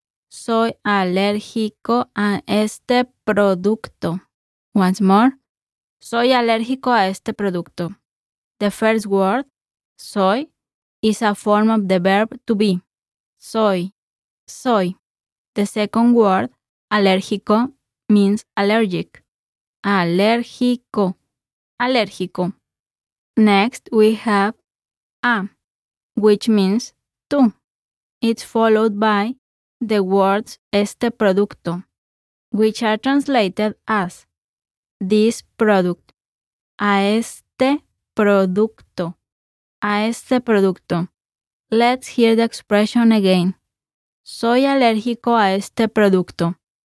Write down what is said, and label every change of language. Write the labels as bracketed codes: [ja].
[es] Soy alérgico a este producto. [en] Once more. [es] Soy alérgico a este producto. [en] The first word, soy, is a form of the verb to be. Soy. Soy. The second word, alérgico, means allergic. Alérgico. Alérgico. Next, we have a, which means to. It's followed by the words este producto, which are translated as this product. [es] A este producto. A este producto. [en] Let's hear the expression again. [es] Soy alérgico a este producto.